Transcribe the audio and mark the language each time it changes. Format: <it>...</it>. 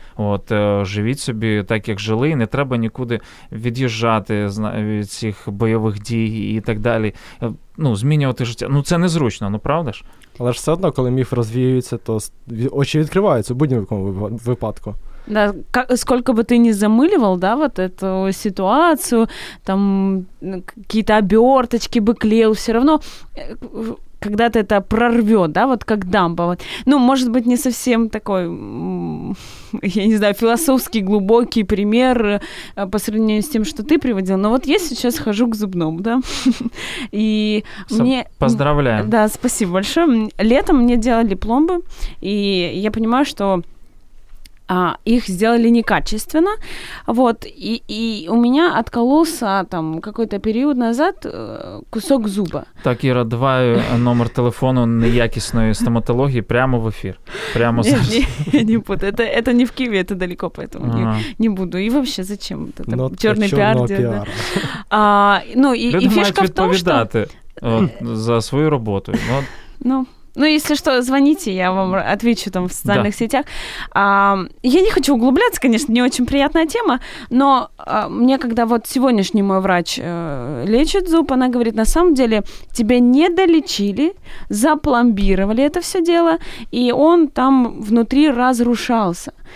<uk>От, живіть собі так, як жили, і не треба нікуди від'їжджати від цих бойових дій і так далі. Ну, змінювати життя. Ну, це незручно, ну, правда ж? Але ж все одно, коли міф розвіюється, то очі відкриваються в будь-якому випадку.</uk> <ru>Да, сколько бы ты ни замыливал, да, вот эту ситуацию, там какие-то оберточки бы клеил, все равно когда-то это прорвет, да, вот как дамба. Вот. Ну, может быть, не совсем такой, я не знаю, философский глубокий пример по сравнению с тем, что ты приводил. Но вот я сейчас хожу к зубному, да, и мне... Поздравляю. Да, спасибо большое. Летом мне делали пломбы, и я понимаю, что их сделали некачественно, вот, и у меня откололся там какой-то период назад кусок зуба. Так, Ира, давай номер телефона</ru> <uk>неякісної стоматології</uk> <ru>прямо в эфир, прямо зараз. Не, не буду, это не в Киеве, это далеко, поэтому не буду. И вообще, зачем вот это черный пиар делать? Да? Ну, и фишка в том, что...</ru> <uk>Люди мають відповідати за свою роботу. Ну...</uk> <ru>Ну, если что, звоните, я вам отвечу там в социальных сетях. Я не хочу углубляться, конечно, не очень приятная тема, но мне, когда вот сегодняшний мой врач лечит зуб, она говорит, на самом деле тебя не долечили, запломбировали это все дело, и он там внутри разрушался.</ru>